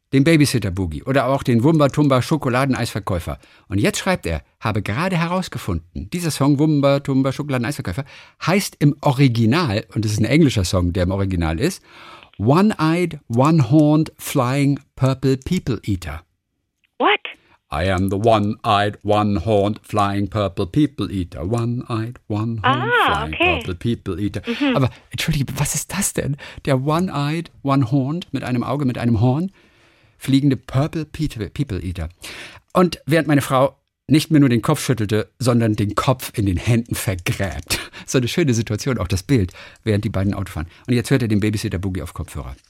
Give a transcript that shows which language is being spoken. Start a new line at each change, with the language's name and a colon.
German: Den Babysitter-Boogie oder auch den Wumba-Tumba-Schokoladeneisverkäufer. Und jetzt schreibt er, habe gerade herausgefunden, dieser Song Wumba-Tumba-Schokoladeneisverkäufer heißt im Original, und es ist ein englischer Song, der im Original ist, One-Eyed, One-Horned, Flying, Purple People Eater.
English: What? I am the One-Eyed, One-Horned, Flying, Purple People Eater. One-Eyed, One-Horned, Flying, okay. Purple People Eater. Mhm.
German: Aber entschuldige, was ist das denn? Der One-Eyed, One-Horned, mit einem Auge, mit einem Horn, fliegende Purple People Eater. Und während meine Frau nicht mehr nur den Kopf schüttelte, sondern den Kopf in den Händen vergräbt. So eine schöne Situation, auch das Bild, während die beiden Auto fahren. Und jetzt hört er den Babysitter Boogie auf Kopfhörer.